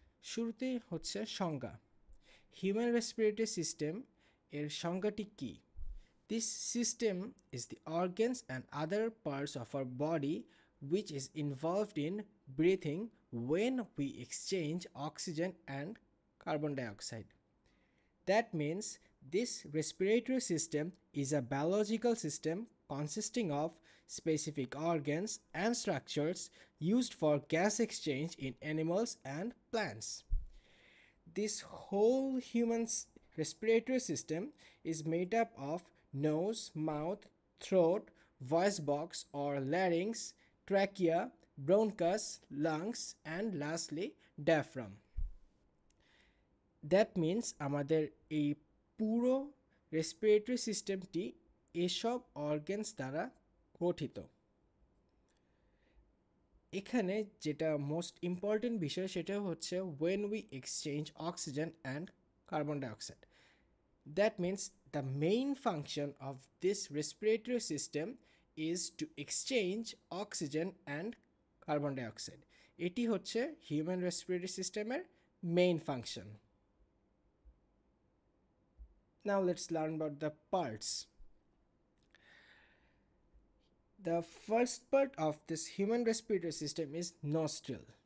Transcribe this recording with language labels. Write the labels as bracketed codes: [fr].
[bn] শুরুতে হচ্ছে সংজ্ঞা, হিউম্যান রেসপিরেটরি সিস্টেম এর সংজ্ঞাটি কী। [en] This system is the organs and other parts of our body which is involved in breathing when we exchange oxygen and carbon dioxide. That means this respiratory system is a biological system consisting of specific organs and structures used for gas exchange in animals and plants. This whole human respiratory system is made up of nose, mouth, throat, voice box or larynx, trachea, bronchus, lungs and lastly diaphragm. [bn] That means আমাদের এই পুরো respiratory সিস্টেমটি এসব organs দ্বারা গঠিত। এখানে যেটা most important বিষয় সেটা হচ্ছে [en] When we exchange oxygen and carbon dioxide. That means the main function of this respiratory system is to exchange oxygen and carbon dioxide. [bn] এটি হচ্ছে হিউম্যান রেসপিরেটরি সিস্টেমের main function. [en] Now let's learn about the parts. The first part of this human respiratory system is nostril.